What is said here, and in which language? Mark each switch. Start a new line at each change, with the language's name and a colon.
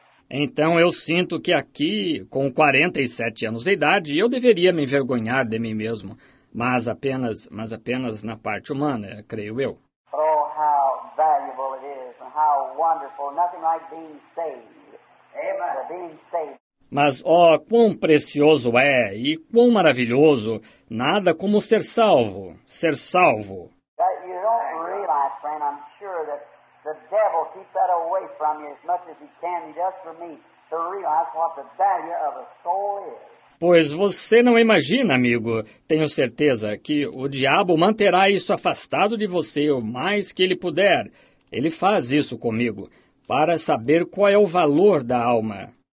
Portuguese: Então eu sinto que aqui, com 47 anos de idade, eu deveria me envergonhar de mim mesmo. Mas apenas na parte humana, creio eu.
English: Oh, how valuable it is, and how wonderful, nothing like being saved. Amen. Being saved.
Portuguese: Mas, oh, quão precioso é, e quão maravilhoso, nada como ser salvo, ser salvo.
English: You don't realize, friend, I'm sure that the devil keeps that away from you as much as he can, just for me, to realize what the value of a soul is.
Portuguese: Pois você não imagina, amigo, tenho certeza, que o diabo manterá isso afastado de você o mais que ele puder. Ele faz isso comigo, para saber qual é o valor da alma.